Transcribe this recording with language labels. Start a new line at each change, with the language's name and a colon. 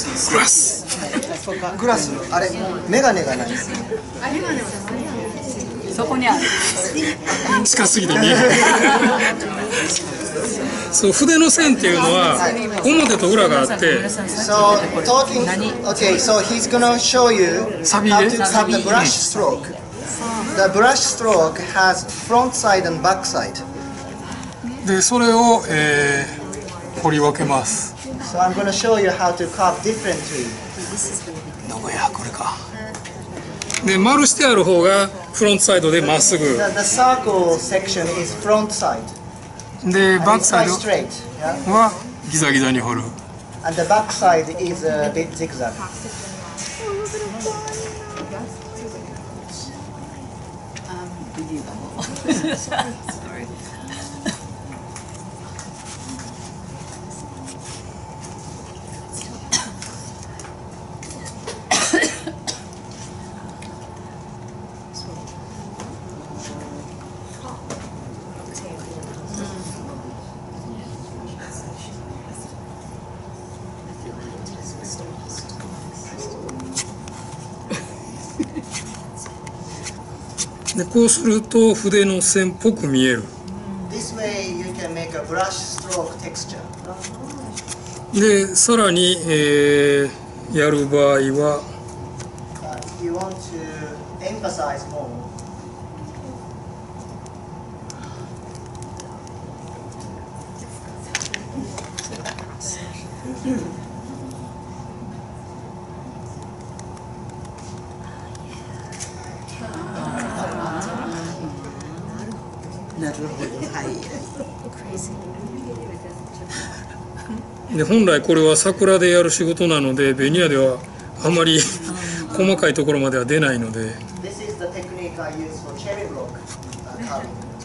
Japanese: グラス、あれ、メガネがないですね。そこにある。近すぎて見えない。そう、筆の線っていうのは表と裏があって。
English: So talking, okay, so he's gonna show you how to cut the brush stroke. The brush stroke has front side and back side.
Japanese: で、それを彫り分けます。
English: So I'm gonna show you how to cut differently.
Japanese: どこや、これか。で、丸してある方がフロントサイドでまっすぐ。
English: The circle section is front side.
Japanese: で、バックサイドはギザギザに掘る。
English: And the back side is a bit zigzag.
Japanese: でこうすると筆の線っぽく見える。
English: This way you can make a brush stroke texture.
Japanese: でさらに、やる場合は、
English: you want to emphasize more.
Japanese: で本来これは桜でやる仕事なのでベニヤではあまり細かいところまでは出ないので。
English: This is the technique I use for cherry block carving.